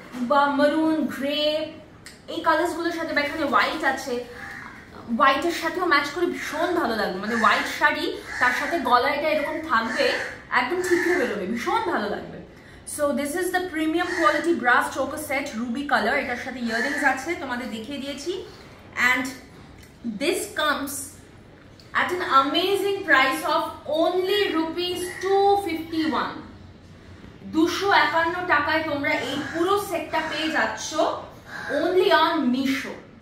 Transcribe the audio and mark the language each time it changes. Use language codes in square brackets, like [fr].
[bn] বা মারুন গ্রে এই কালার্সগুলোর সাথে বা এখানে হোয়াইট আছে হোয়াইটের সাথেও ম্যাচ করে ভীষণ ভালো লাগবে মানে হোয়াইট শাড়ি তার সাথে গলায় এটা এরকম থাকবে একদম ঠিকরে বেরোবে ভীষণ ভালো লাগবে [en] so this is the premium quality brass choker set ruby colour [bn] এটার সাথে ইয়ারিংস আছে তোমাদের দেখিয়ে দিয়েছি [en] and this comes at an amazing price of only ₹251. [bn] ₹251 টাকায় তোমরা এই পুরো সেটটা পেয়ে যাচ্ছ [en] only on Meesho.